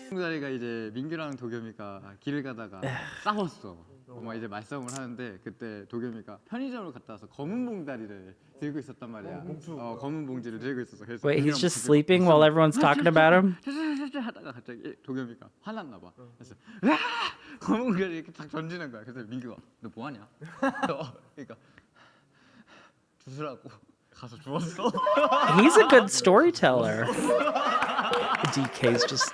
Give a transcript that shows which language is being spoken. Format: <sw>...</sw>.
<ko>동자리가 이제 민규랑 도겸이가 길을 가다가 싸웠어. 뭐 이제 말싸움을 하는데 그때 도겸이가 편의점으로 갔다 와서 검은 봉다리를 들고 있었단 말이야. 어 검은 봉지를 들고 있었어. 그래서</ko> <en>Wait, he's just sleeping while everyone's talking about him?</en> <ko>슬슬 하다가 갑자기 도겸이가 화났나 봐. 그래서 으악! 검은 봉다리 이렇게 딱 던지는 거야. 그래서 민규가 너 뭐 하냐? 그러니까 주스라고 가서 주웠어.</ko> <en>He's a good storyteller. DK's just.</en>